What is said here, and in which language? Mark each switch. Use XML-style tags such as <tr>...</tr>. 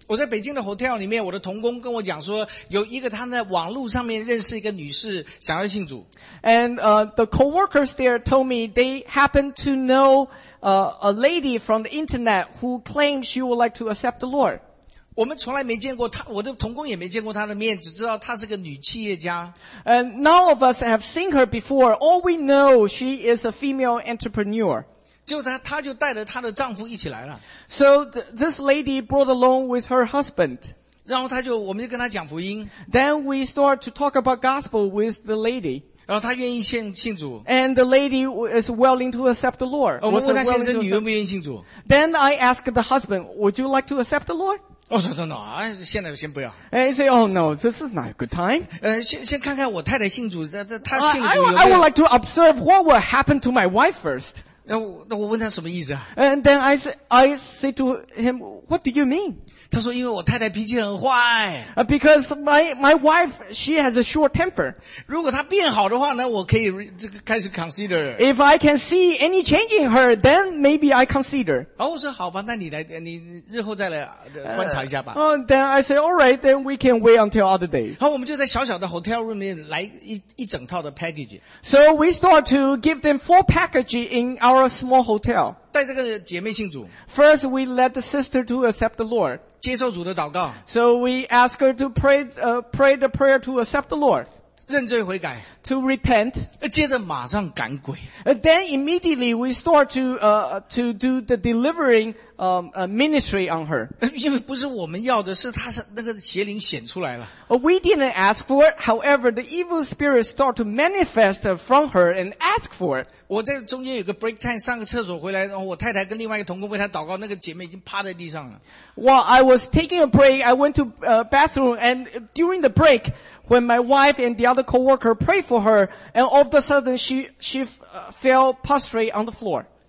<zh>我在北京的 hotel 里面，我的同工跟我讲说，有一个他在网络上面认识一个女士，想要信主。</zh> <en>And the co-workers there told me they happened to know a lady from the internet who claimed she would like to accept the Lord.</en> <zh>我们从来没见过他，我的同工也没见过他的面，只知道他是个女企业家。</zh> <en>And none of us have seen her before. All we know, she is a female entrepreneur.</en> <zh>就她就带着她的丈夫一起来了。</zh> <en>So this lady brought along with her husband.</en> <zh>然后我们就跟她讲福音。</zh> <en>Then we start to talk about gospel with the lady.</en> <zh>然后他愿意信主。</zh> <en>And the lady is willing to accept the Lord.</en> <zh>我问她先生，女愿不愿意信主。</zh> <en>Then I ask the husband, would you like to accept the Lord?</en> <zh>No, 现在先不要。</zh> <en>And he said, oh no, this is not a good time.</en> <zh>先看看我太太信主，她信主有没有。</zh> <en>I would like to observe what will happen to my wife first.</en> <zh>那我问他什么意思啊?</zh> <en>And then I say to him, what do you mean?</en> <zh>他说因为我太太脾气很坏。</zh> <en>Because my wife, she has a short temper.</en> <zh>如果她变好的话呢, 我可以开始consider.</zh> <en>If I can see any change in her, then maybe I consider.</en> <zh>我说好吧, 那你日后再来观察一下吧。</zh> <en>Then I say, alright, then we can wait until other days.</en> <zh>好，我们就在小小的hotel room里来一整套的package。</zh> <en>So we start to give them four packages in our small hotel.</en> <zh>带这个姐妹信主。</zh> <en>First, we let the sister to accept the Lord.</en> <zh>接受主的祷告。</zh> <en>So we ask her to pray the prayer to accept the Lord.</en> <zh>认罪悔改。</zh> <en>To repent.</en> <zh>接着马上赶鬼。</zh> <en>Then immediately we start to do the delivering ministry on her.</en> <zh>因为不是我们要的, 是她那个邪灵显出来了。</zh> <en>We didn't ask for it. However, the evil spirit start to manifest from her and ask for it.</en> <zh>我在中间有个 break time, 上个厕所回来, 我太太跟另外一个同工为她祷告, 那个姐妹已经趴在地上了。</zh> <en>While I was taking a break, I went to bathroom, and during the break, when my wife and the other co-worker prayed for her, and all of a sudden she fell prostrate on the floor.</en>